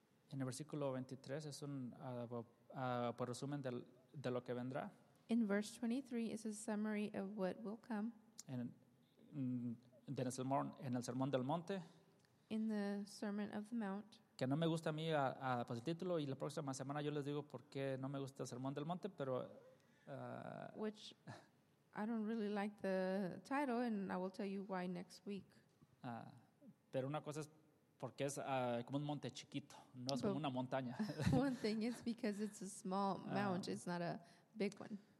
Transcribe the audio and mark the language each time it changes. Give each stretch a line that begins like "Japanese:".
Spanish: En el versículo 23 es un por resumen de lo que vendrá.
English: In verse 23 is a summary of what will come.
Spanish: En el sermón del monte.
English: In the Sermon of the Mount.
Spanish: Que no me gusta a mí pues el título, y la próxima semana yo les digo por qué no me gusta el Sermón del Monte, pero
English: which I don't really like the title, and I will tell you why next week.
Spanish: Pero una cosa es porque es como un monte chiquito, no es como una montaña.
English: One thing is because it's a small mount, it's not a big one.